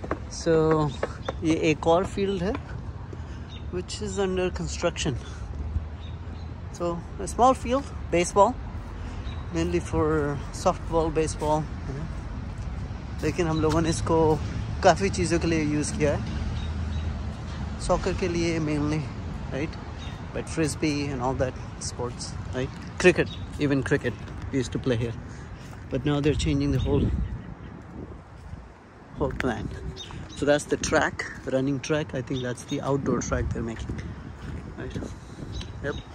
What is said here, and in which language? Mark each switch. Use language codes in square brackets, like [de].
[hi] So, ये एक और field है, [en] which is under construction. So, a small field, baseball, mainly for softball, baseball. [hi] लेकिन हम लोगों ने इसको काफी चीजों के लिए use किया है. [en] Soccer [hi] के लिए [en] mainly, right? But frisbee and all that sports, right? Cricket, even cricket, we used to play here. But now they're changing the whole plan. So that's the track, the running track. I think that's the outdoor track they're making. Right. Yep.